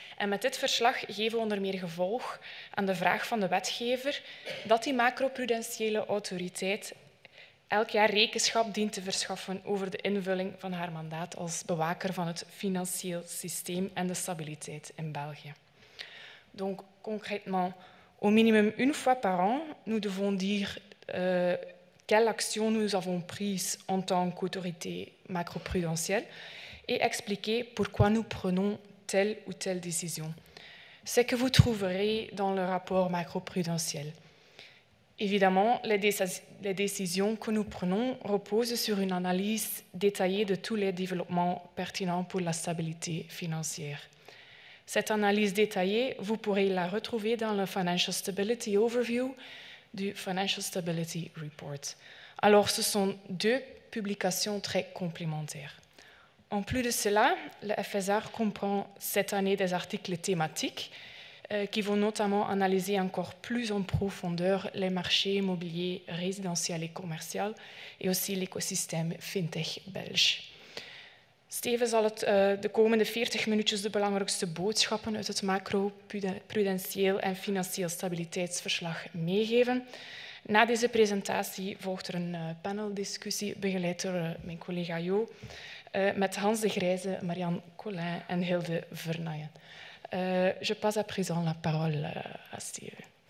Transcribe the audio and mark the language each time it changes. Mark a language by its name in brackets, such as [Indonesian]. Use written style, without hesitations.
[Dutch] En met dit verslag geven we onder meer gevolg aan de vraag van de wetgever dat die macroprudentiële autoriteit elk jaar rekenschap dient te verschaffen over de invulling van haar mandaat als bewaker van het financieel systeem en de stabiliteit in België. [French] Donc, concrètement, au minimum une fois par an, nous devons dire quelle action nous avons prise en tant qu'autorité macroprudentielle et expliquer pourquoi nous prenons telle ou telle décision. C'est ce que vous trouverez dans le rapport macroprudentiel. Évidemment, les décisions que nous prenons reposent sur une analyse détaillée de tous les développements pertinents pour la stabilité financière. Cette analyse détaillée, vous pourrez la retrouver dans le Financial Stability Overview du Financial Stability Report. Alors, ce sont deux publications très complémentaires. En plus de cela, le FSR comprend cette année des articles thématiques qui vont notamment analyser encore plus en profondeur les marchés immobiliers résidentiels et commerciaux et aussi l'écosystème fintech belge. [Dutch] Steven zal het de komende 40 minuutjes de belangrijkste boodschappen uit het macroprudentieel en financieel stabiliteitsverslag meegeven. Na deze presentatie volgt er een paneldiscussie begeleid door mijn collega Jo met Hans de Grijze, Marianne Collin en Hilde Vernaaien. [French] Je passe à présent la parole à Steven.